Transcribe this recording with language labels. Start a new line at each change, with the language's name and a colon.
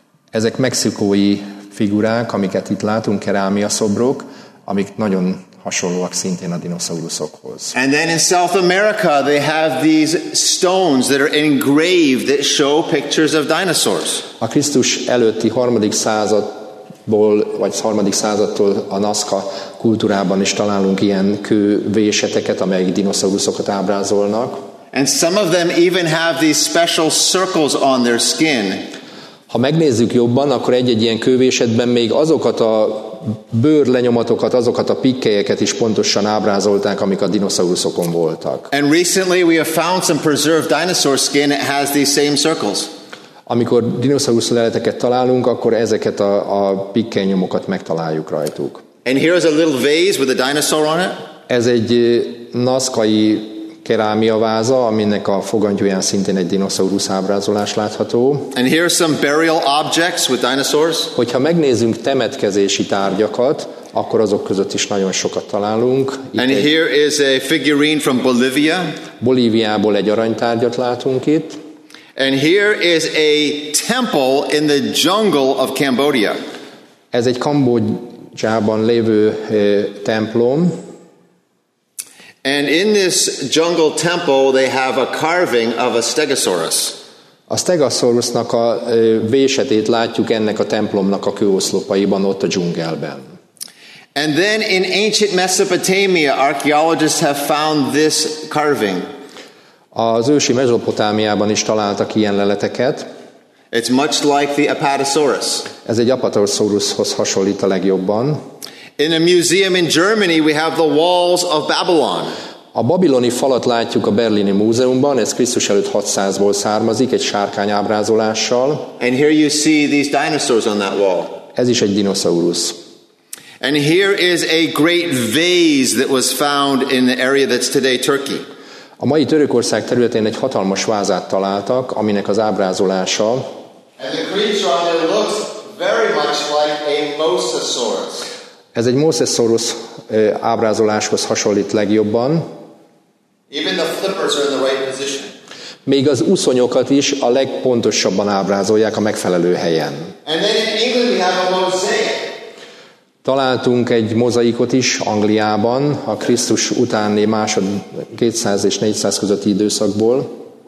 Hungarian: Ezek mexikói figurák, amiket itt látunk, kerámia szobrok, amik nagyon hasonlóak szintén a dinoszauruszokhoz.
English: And then in South America they have these stones that are engraved that show pictures of dinosaurs.
Hungarian: A Krisztus előtti 3. századból vagy 3. századtól a Nazca kultúrában is találunk ilyen kővéseteket, amelyek dinoszauruszokat ábrázolnak.
English: And some of them even have these special circles on their skin.
Hungarian: Ha megnézzük jobban, akkor egy-egy ilyen kővésetben még azokat a bőrlenyomatokat, azokat a pikkelyeket is pontosan ábrázolták, amik a dinoszauruszokon voltak.
English: And recently we have found some preserved dinosaur skin that has these same circles.
Hungarian: Amikor dinoszaurusz leleteket találunk, akkor ezeket a pikkelynyomokat megtaláljuk rajtuk.
English: And here is a little vase with a dinosaur on it.
Hungarian: Ez egy nazcai kerámia váza, aminek a fogantyúján szintén egy dinoszaurusz ábrázolás látható.
English: And here are some burial objects with dinosaurs.
Hungarian: Hogyha megnézzünk temetkezési tárgyakat, akkor azok között is nagyon sokat találunk. Itt
English: and here is a figurine from Bolivia.
Hungarian: Bolíviából egy aranytárgyat látunk itt.
English: And here is a temple in the jungle of Cambodia.
Hungarian: Ez egy Kambodzsában lévő templom.
English: And in this jungle temple they have a carving of a stegosaurus.
Hungarian: A stegosaurusnak a vésetét látjuk ennek a templomnak a kőoszlopaiban ott a dzsungelben.
English: And then in ancient Mesopotamia archaeologists have found this carving.
Hungarian: Az ősi Mezopotámiában is találtak ilyen leleteket.
English: It's much like the apatosaurus.
Hungarian: Ez egy apatosaurushoz hasonlít a legjobban.
English: In a museum in Germany, we have the walls of Babylon.
Hungarian: A babiloni falat látjuk a berlini múzeumban, ez Krisztus előtt 600-ból származik, egy sárkány ábrázolással.
English: And here you see these dinosaurs on that wall.
Hungarian: Ez is egy dinoszaurus.
English: And here is a great vase that was found in the area that's today Turkey.
Hungarian: A mai Törökország területén egy hatalmas vázát találtak, aminek az ábrázolása.
English: And the creature on it looks very much like a mosasaurus.
Hungarian: Ez egy mosasaurus ábrázoláshoz hasonlít legjobban.
English: Even the flippers are in the right position.
Hungarian: Még az uszonyokat is a legpontosabban ábrázolják a megfelelő helyen.
English: And then in England we have a mosaic.
Hungarian: Találtunk egy mozaikot is Angliában, a Krisztus utáni másod 200 és 400 közötti időszakból.